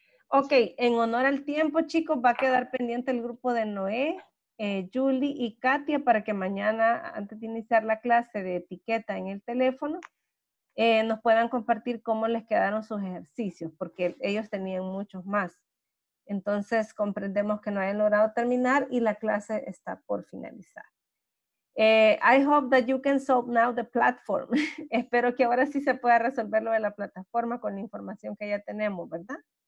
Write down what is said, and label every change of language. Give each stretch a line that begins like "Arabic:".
Spanish: Ok, en honor al tiempo, chicos, va a quedar pendiente el grupo de Noé, Julie y Katia para que mañana, antes de iniciar la clase de etiqueta en el teléfono, nos puedan compartir cómo les quedaron sus ejercicios, porque ellos tenían muchos más. Entonces, comprendemos que no hayan logrado terminar y la clase está por finalizar.
English: I hope that you can solve now the platform.
Spanish: Espero que ahora sí se pueda resolver lo de la plataforma con la información que ya tenemos, ¿verdad?